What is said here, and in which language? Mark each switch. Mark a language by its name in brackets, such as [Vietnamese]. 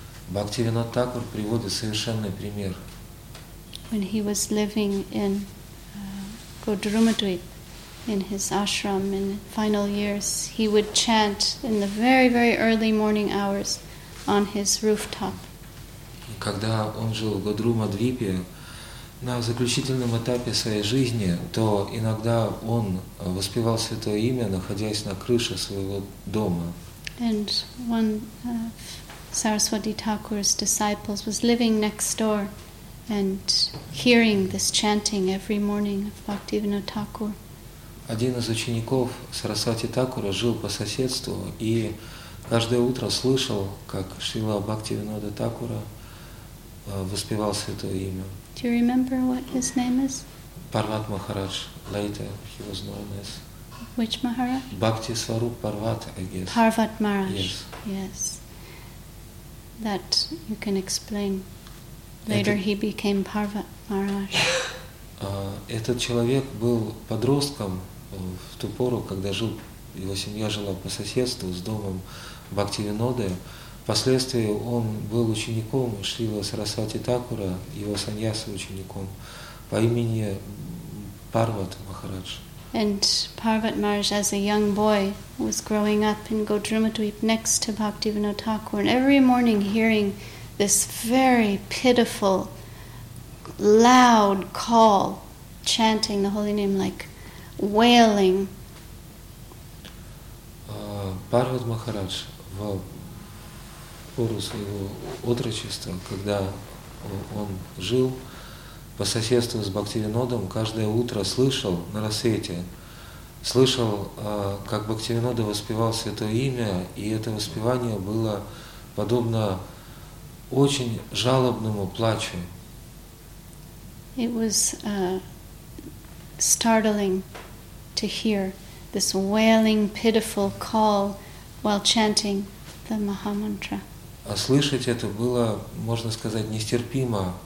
[Russian] Бхактивинода Тхакур приводит совершенный пример. [English] When he was living in Godrumadvip, in his ashram in the final years, he would chant in the very, very early morning hours on his rooftop. [Russian] Когда он жил в Годрумадвипе, на заключительном этапе своей жизни, то иногда он воспевал святое имя, находясь на крыше своего дома. [English] And one of Saraswati Thakur's disciples was living next door and hearing this chanting every morning of Bhaktivinoda Thakur. [Russian] Один из учеников Сарасвати Такура жил по соседству и каждое утро слышал, как Шрила Бхактивинода Такура воспевал святое имя. [English] Do you remember what his name is? Parvat Maharaj. Later he was known as... Which Maharaj? Bhakti Swarup Parvat, I guess. Parvat Maharaj. Yes. Yes. That you can explain. Later he became Parvat Maharaj. [Russian] Этот человек был подростком в ту пору, когда жил, его семья жила по соседству с домом Бхактивиноды. Впоследствии он был учеником Шрилы Сарасвати Такура, его саньяса учеником, по имени Парват Махарадж. [English] And Parvat Maharaj, as a young boy, was growing up in Godrumadvip next to Bhaktivinoda Thakur, and every morning hearing this very pitiful, loud call, chanting the holy name, like wailing. [Russian] Парват Махарадж в пору своего отрочества, когда он жил по соседству с Бхактивинодом, каждое утро слышал на рассвете, слышал, как Бхактивинода воспевал святое имя, и это воспевание было подобно очень жалобному плачу. [English] It was startling to hear this wailing, pitiful call while chanting the Mahamantra. [Russian] А слышать это было, можно сказать, нестерпимо.